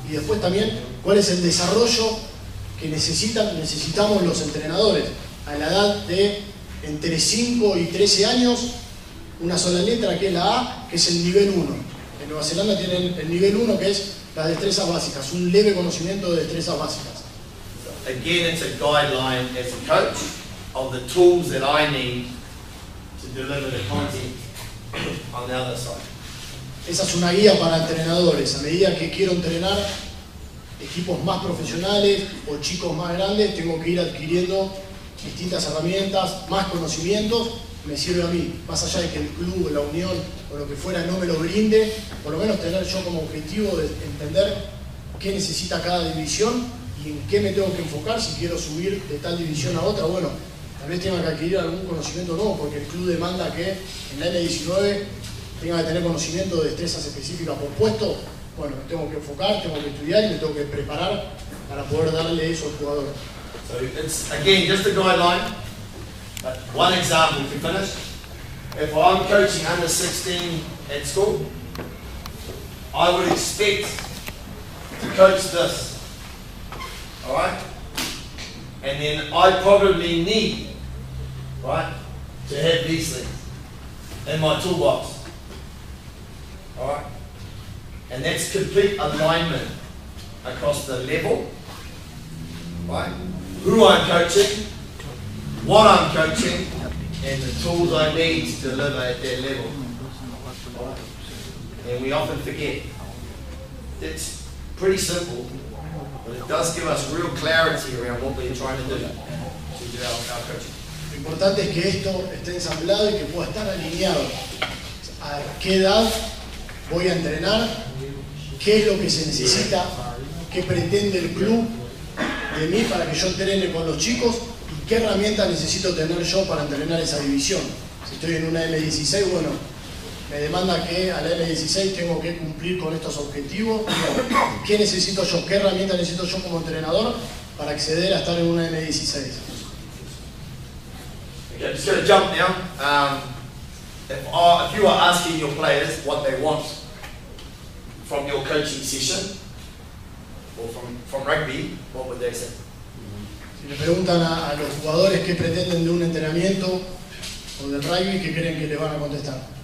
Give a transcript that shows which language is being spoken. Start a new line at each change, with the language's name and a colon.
Spanish: Y después también, ¿cuál es el desarrollo que necesitamos los entrenadores? A la edad de entre 5 y 13 años, una sola letra que es la A, que es el nivel 1. En Nueva Zelanda tienen el nivel 1 que es las destrezas básicas, un leve conocimiento de destrezas básicas.
English: Again, it's a guideline as a coach of the tools that I need to deliver the content on the other side.
Spanish: Esa es una guía para entrenadores. A medida que quiero entrenar equipos más profesionales o chicos más grandes, tengo que ir adquiriendo distintas herramientas, más conocimientos, me sirve a mí. Más allá de que el club, la unión o lo que fuera no me lo brinde, por lo menos tener yo como objetivo de entender qué necesita cada división y en qué me tengo que enfocar si quiero subir de tal división a otra. Bueno, tal vez tenga que adquirir algún conocimiento nuevo porque el club demanda que en la N19 tenga que tener conocimiento de destrezas específicas por puesto. Bueno, me tengo que enfocar, tengo que estudiar y me tengo que preparar para poder darle eso al jugador.
English: So it's again just a guideline, but one example to finish. If I'm coaching under 16 at school, I would expect to coach this, all right? And then I probably need, right, to have these things in my toolbox, all right? And that's complete alignment across the level, right? Who I'm coaching, what I'm coaching, and the tools I need to deliver at that level. And we often forget. It's pretty simple, but it does give us real clarity around what we're trying to do to develop our coaching.
Spanish: Lo importante es que esto esté ensamblado y que pueda estar alineado. ¿A qué edad voy a entrenar? ¿Qué es lo que se necesita? ¿Qué pretende el club de mí para que yo entrene con los chicos y qué herramientas necesito tener yo para entrenar esa división? Si estoy en una M16, bueno, me demanda que a la M16 tengo que cumplir con estos objetivos. ¿Qué necesito yo? ¿Qué herramientas necesito yo como entrenador para acceder a estar en una M16?
English: Okay, just gonna jump now. If you are asking your players what they want from your coaching session, or from rugby, what would they say?
Spanish: Si le preguntan a los jugadores qué pretenden de un entrenamiento o del rugby, ¿qué creen que le van a contestar?